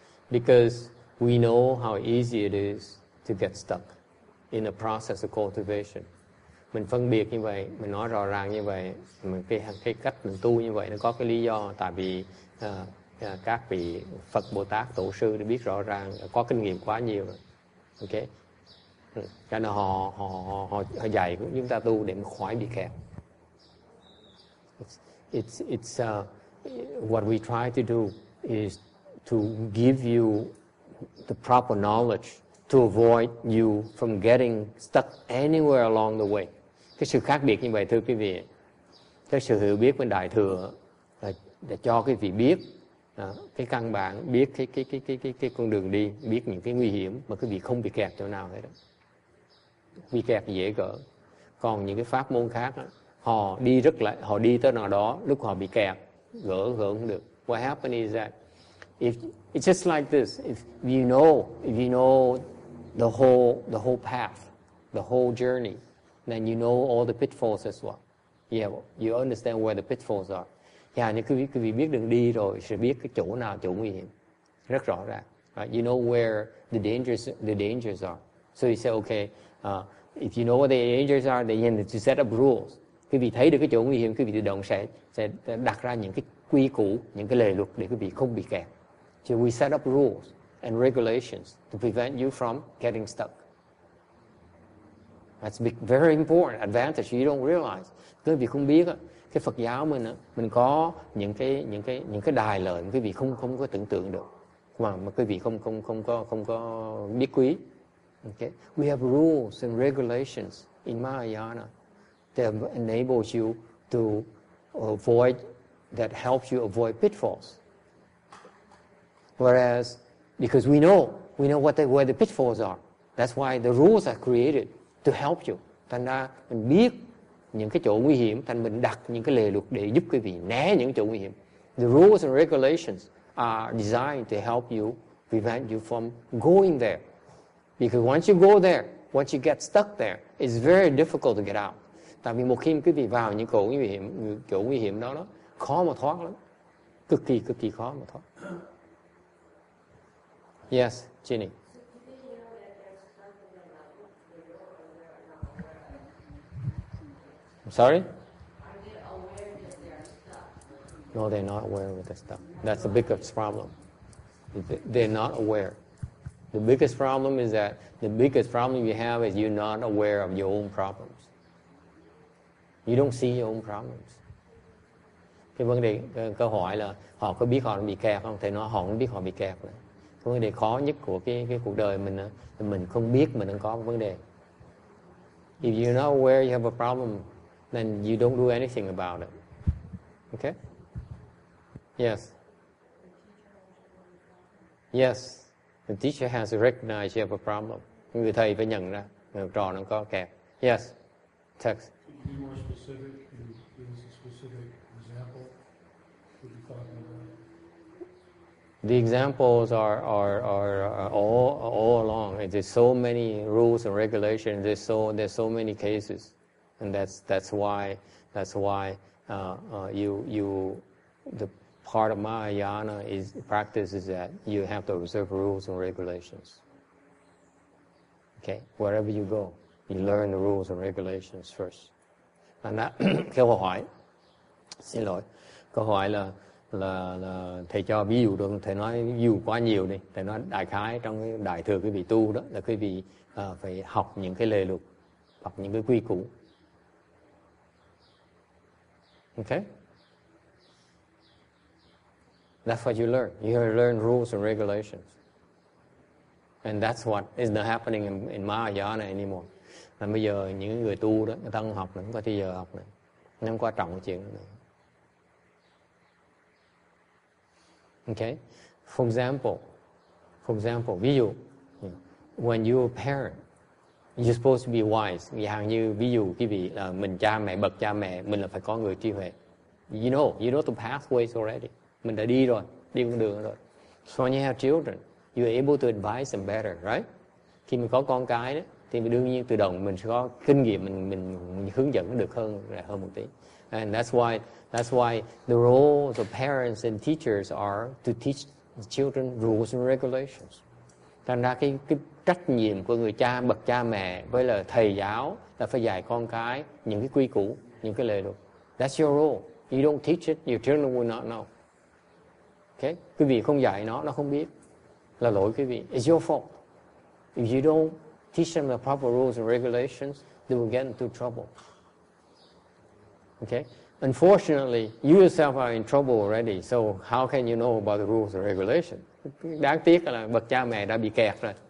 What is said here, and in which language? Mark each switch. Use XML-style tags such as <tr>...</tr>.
<en>Because we know how easy it is to get stuck in the process of cultivation.</en> <vi>Mình phân biệt như vậy, mình nói rõ ràng như vậy, cái cách mình tu như vậy nó có cái lý do, tại vì các vị Phật Bồ Tát Tổ sư đã biết rõ ràng, có kinh nghiệm quá nhiều rồi.</vi> <en>Okay?</en> <vi>Cho nên họ dạy chúng ta tu để khỏi bị kẹt.</vi> <en>It's what we try to do is to give you the proper knowledge to avoid you from getting stuck anywhere along the way.</en> <vi>Cái sự khác biệt như vậy thưa quý vị, cái sự hiểu biết bên Đại thừa là để cho quý vị biết cái căn bản, biết cái con đường đi, biết những cái nguy hiểm mà quý vị không bị kẹt chỗ nào hết đó. Bị kẹt dễ gỡ. Còn những cái pháp môn khác đó, họ đi rất là, họ đi tới nào đó lúc họ bị kẹt gỡ không được.</vi> <en>What happens is that if it's just like this, if you know the whole path, the whole journey, then you know all the pitfalls as well. Yeah, you understand where the pitfalls are. Yeah,</en> <vi>nếu quý vị biết đường đi rồi sẽ biết cái chỗ nào chỗ nguy hiểm rất rõ ràng.</vi> <en>Right? You know where the dangers are. So you say okay. If you know what the dangers are, then you need to set up rules.</en> <vi>Quý vị thấy được cái chỗ nguy hiểm, quý vị tự động sẽ đặt ra những cái quy củ, những cái lề luật để quý vị không bị kẹt.</vi> <en>So we set up rules and regulations to prevent you from getting stuck. That's a very important advantage you don't realize.</en> <vi>Quý vị không biết, cái Phật giáo mình có những cái đài lợi quý vị không có tưởng tượng được, mà quý vị không có biết quý.</vi> <en>Okay, we have rules and regulations in Mahayana that enables you to avoid, that helps you avoid pitfalls. Whereas, because we know where the pitfalls are, that's why the rules are created to help you.</en> <vi>Thành ra mình biết những cái chỗ nguy hiểm, thành mình đặt những cái lề luật để giúp quý vị né những chỗ nguy hiểm.</vi> <en>The rules and regulations are designed to help you, prevent you from going there. Because once you go there, once you get stuck there, it's very difficult to get out.</en> <vi>Tại vì một khi quý vị vào những chỗ nguy hiểm đó, khó mà thoát lắm. Cực kỳ khó mà thoát.</vi> <en>Yes, Ginny. I'm sorry? Are they aware that they are stuck? No, they're not aware of the stuff. That's the biggest problem. They're not aware. The biggest problem is that the biggest problem you have is you're not aware of your own problems. You don't see your own problems.</en> <vi>Cái vấn đề, câu hỏi là họ có biết họ bị kẹt không? Thầy nói họ không biết họ bị kẹt. Cái vấn đề khó nhất của cái cuộc đời mình là mình không biết mình đang có vấn đề.</vi> <en>If you're not aware you have a problem, then you don't do anything about it. Okay? Yes. Yes. The teacher has to recognize you have a problem.</en> <vi>Người thầy phải nhận ra người trò nó có kẹt.</vi> <en>Yes. Text. Can you be more specific? Give us a specific example? What you're talking about? The examples are all along. There's so many rules and regulations. There's so many cases, and that's why the part of Mahayana is practice is that you have to observe rules and regulations. Okay, wherever you go, you learn the rules and regulations first. And that</en> <vi>câu hỏi, xin lỗi, câu hỏi là thầy cho ví dụ được, thầy nói ví dụ quá nhiều đi, thầy nói đại khái trong đại thừa cái vị tu đó là cái vị phải học những cái lề luật hoặc những cái quy củ.</vi> <en>Okay, that's what you learn. You learn rules and regulations, and that's what is not happening in Mahayana anymore.</en> <vi>Là bây giờ những người tu đó, người ta không học nữa, không có thi giờ học nữa, không quan trọng cái chuyện nữa.</vi> <en>Okay, for example,</en> <vi>ví dụ,</vi> <en>when you're a parent, you're supposed to be wise.</en> <vi>Hàng như ví dụ quý vị là mình cha mẹ, bậc cha mẹ, mình là phải có người trí huệ.</vi> <en>You know the pathways already.</en> <vi>Mình đã đi rồi, đi con đường rồi.</vi> <en>So when you have children, you're able to advise them better, right?</en> <vi>Khi mình có con cái đó, thì đương nhiên tự động mình sẽ có kinh nghiệm, mình hướng dẫn được hơn một tí.</vi> <en>And that's why the roles of parents and teachers are to teach the children rules and regulations.</en> <vi>Thành ra cái trách nhiệm của người cha, bậc cha mẹ với là thầy giáo là phải dạy con cái những cái quy củ, những cái lề luật.</vi> <en>That's your role. You don't teach it, your children will not know. Okay?</en> <vi>Quý vị không dạy nó không biết. Là lỗi quý vị.</vi> <en>It's your fault. If you don't teach them the proper rules and regulations, they will get into trouble. Okay? Unfortunately, you yourself are in trouble already, so how can you know about the rules and regulations?</en> <vi>Đáng tiếc là bậc cha mẹ đã bị kẹt rồi.</vi>